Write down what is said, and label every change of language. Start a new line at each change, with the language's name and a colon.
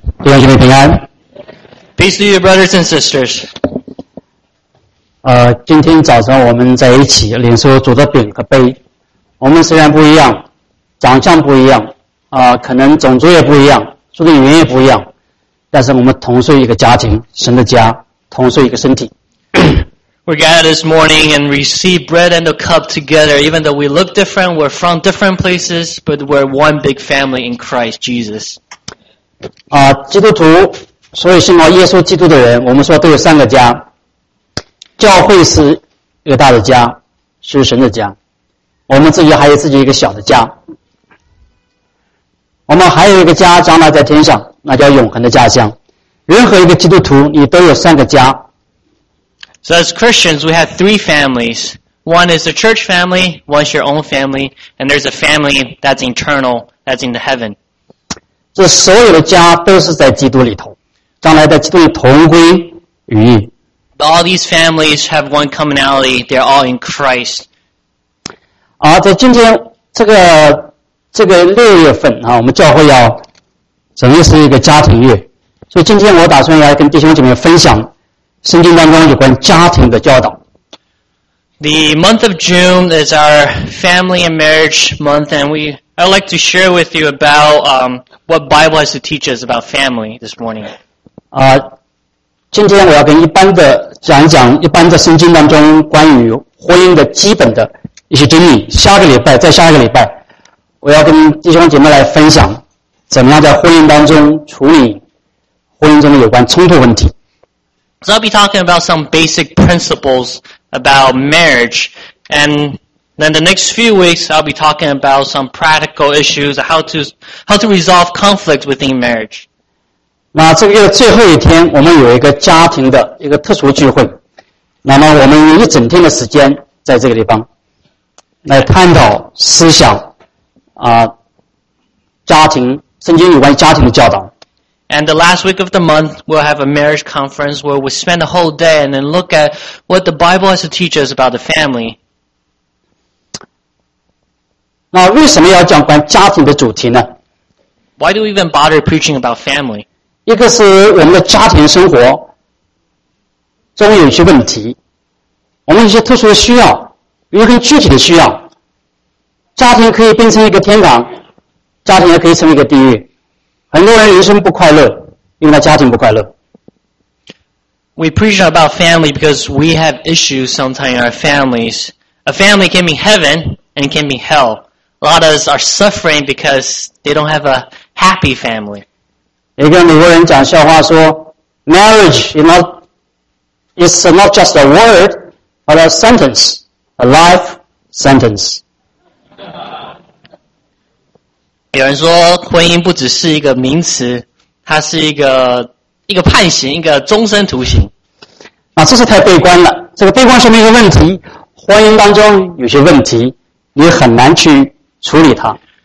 English: Peace to you, brothers and sisters.
Chinese: 今天早上我们在一起领受主的饼和杯。我们虽然不一样，长相不一样，可能种族也不一样，出生语言也不一样，但是我们同睡一个家庭，神的家，同睡一个身体。
English: We gather this morning and receive bread and a cup together. Even though we look different, we're from different places, but we're one big family in Christ Jesus.
Chinese: 基督徒，所以信靠耶稣基督的人，我们说都有三个家。教会是一个大的家，是神的家。我们自己还有自己一个小的家。我们还有一个家，将来在天上，那叫永恒的家乡。任何一个基督徒，你都有三个家。
English: So as Christians, we have three families. One is the church family, one is your own family, and there's a family that's eternal, that's in the heaven.
Chinese: 这所有的家都是在基督里头，将来在基督里同归于义。
English: But all these families have one commonality, they're all in Christ.
Chinese: 在今天这个六月份啊，我们教会要整个是一个家庭月，所以今天我打算来跟弟兄姐妹分享圣经当中有关家庭的教导。
English: The month of June is our family and marriage month, and I'd like to share with you about what Bible has to teach us about family this morning.
Chinese: 今天我要跟一般的讲一讲一般的圣经当中关于婚姻的基本的一些真理。下个礼拜，我要跟弟兄姐妹来分享怎么样在婚姻当中处理婚姻中的有关冲突问题。
English: So I'll be talking about some basic principles about marriage. And then the next few weeks, I'll be talking about some practical issues, how to resolve conflict within marriage.
Chinese: 那这个月最后一天，我们有一个家庭的一个特殊聚会。那么我们有一整天的时间在这个地方来探讨思想家庭，圣经有关家庭的教导。
English: And the last week of the month, we'll have a marriage conference where we spend the whole day and then look at what the Bible has to teach us about the family.
Chinese: 那为什么要讲关家庭的主题呢？
English: Why do we even bother preaching about family?
Chinese: 一个是我们的家庭生活中有些问题，我们有些特殊的需要，有很具体的需要。家庭可以变成一个天堂，家庭也可以成为一个地狱。很多人人生不快乐，因为他家庭不快乐。
English: We preach about family because we have issues sometimes in our families. A family can be heaven and it can be hell. A lot of us are suffering because they don't have a happy family.
Chinese: 一个美国人讲笑话说
English: ，marriage is not just a word, but a sentence, a life sentence.
Chinese: 有人说婚姻不只是一个名词，它是一个判刑，一个终身徒刑。啊，这是太悲观了。这个悲观说明一个问题，婚姻当中有些问题，你很难去处理它。